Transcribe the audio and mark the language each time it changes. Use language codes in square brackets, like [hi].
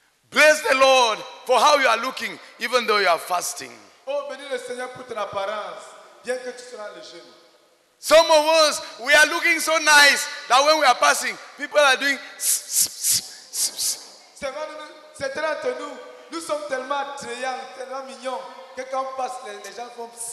[en] Bless the Lord for how you are looking, even though you are fasting. [fr] Oh, bénis le Seigneur pour ton apparence, bien que tu seras le jeune. [en] Some of us, we are looking so nice that when we are passing, people are doing. [fr] Certains de nous, nous sommes tellement attrayants, tellement mignons que quand on passe, les gens font.